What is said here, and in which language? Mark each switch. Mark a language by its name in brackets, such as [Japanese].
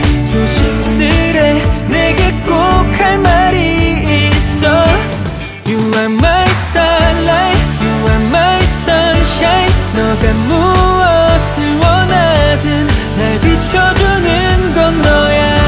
[Korean] 조심스레 내게 꼭 할 말이 있어. [English] You are my starlight, you are my sunshine. [Korean] 너가 무엇을 원하든 날 비춰주는 건 너야.